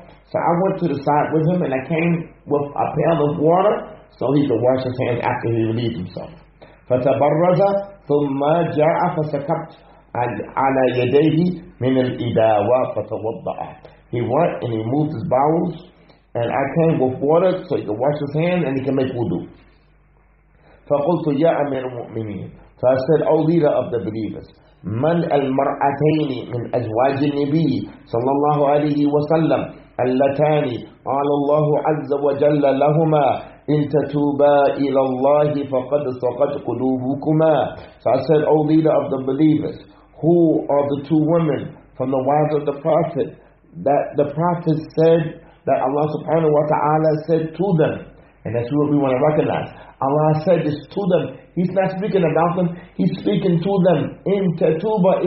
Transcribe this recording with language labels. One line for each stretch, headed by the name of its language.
English: So I went to the side with him and I came with a pail of water so he could wash his hands after he relieved himself. فَتَبَرَّزَ ثُمَّ جَعَ فَسَكَبْتُ عَلَى يَدَيْهِ مِنَ الْإِدَاوَةِ فَتَوَضَّعَ, he went and he moved his bowels and I came with water so he can wash his hands and he can make wudu.
Arabic: فَقُلْتُ يَا أَمِرُ الْمُؤْمِنِينَ, so I said, O leader of the believers, مَنْ الْمَرْأَتَيْنِ مِنْ أَزْوَاجِ النَّبِيِّ صلى الله عليه وسلم اللَّتَانِ قَالَ اللَّهُ عَزَّ وَجَلَّ لَهُمَا إِنْ تَتُوبَا إِلَى اللَّهِ فَقَدْ سَقَتْ قُلُوبُكُمَا.
English: So I said, O leader of the believers, who are the two women from the wives of the Prophet that the Prophet said that Allah subhanahu wa ta'ala said to them, and that's what we want to recognize. Allah said this to them. He's not speaking about them. He's speaking to them in tawbah.